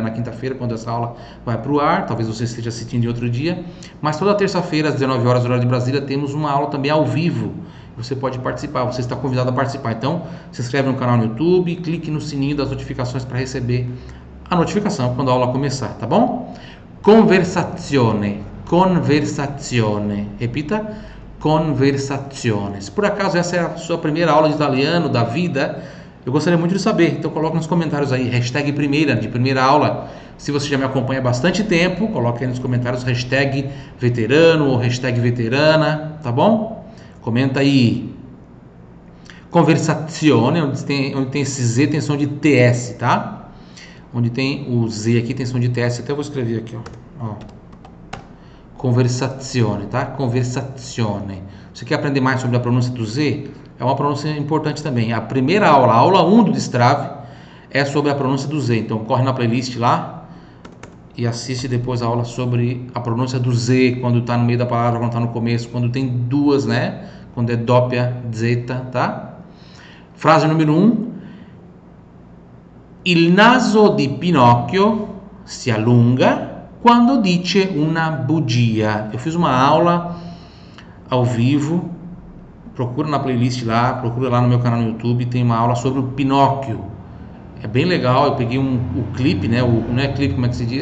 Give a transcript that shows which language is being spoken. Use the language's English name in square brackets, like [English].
[Portuguese] Na quinta-feira, quando essa aula vai para o ar. Talvez você esteja assistindo em outro dia. Mas toda terça-feira, às 19 horas, horário de Brasília, temos uma aula também ao vivo. Você pode participar, você está convidado a participar. Então, se inscreve no canal no YouTube, clique no sininho das notificações para receber a notificação quando a aula começar, tá bom? [Italian] Conversazione, conversazione, [Portuguese] repita, [Italian] conversazione. [Portuguese] Se por acaso essa é a sua primeira aula de italiano da vida, eu gostaria muito de saber. Então coloca nos comentários aí, hashtag primeira, de primeira aula. Se você já me acompanha há bastante tempo, coloque aí nos comentários, hashtag veterano ou hashtag veterana, tá bom? Comenta aí. Conversazione, onde tem esse Z, tem som de TS, tá? Onde tem o Z aqui, tem som de TS. Até vou escrever aqui, ó. Ó. Conversazione, tá? [Italian] Conversazione. [Portuguese] Você quer aprender mais sobre a pronúncia do Z? É uma pronúncia importante também. A primeira aula, a aula 1 do Destrave, é sobre a pronúncia do Z. Então, corre na playlist lá e assiste depois a aula sobre a pronúncia do Z, quando está no meio da palavra, quando está no começo, quando tem duas, né? Quando é doppia, zeta, tá? Frase número 1. [Italian] Il naso di Pinocchio si allunga quando dice una bugia. [Portuguese] Eu fiz uma aula ao vivo. Procura na playlist lá, procura lá no meu canal no YouTube. Tem uma aula sobre o Pinóquio. É bem legal. Eu peguei o clipe, né? Não é clipe, como é que se diz?